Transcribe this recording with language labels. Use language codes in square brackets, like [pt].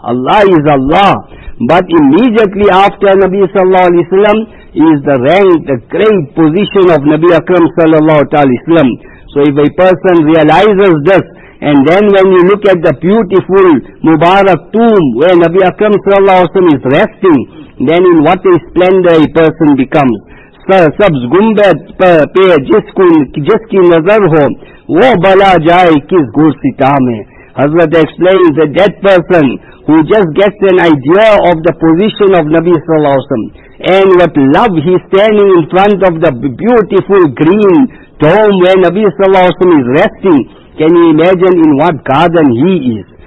[en] Allah is Allah. But immediately after Nabi Sallallahu Alaihi Wasallam is the rank, the great position of Nabi Akram Sallallahu Alaihi Wasallam. So if a person realizes this, and then when you look at the beautiful Mubarak tomb where Nabi Akram Sallallahu Alaihi Wasallam is resting, then in what a splendor a person becomes. [ur] سبز گنبد پہ جس کی نظر ہو وہ بلا جائے کس گھر ستاں میں. [en] Hazrat explains that that person who just gets an idea of the position of Nabi Sallallahu Alaihi Wasallam and what love he is standing in front of the beautiful green dome where Nabi Sallallahu Alaihi Wasallam is resting, can you imagine in what garden he is?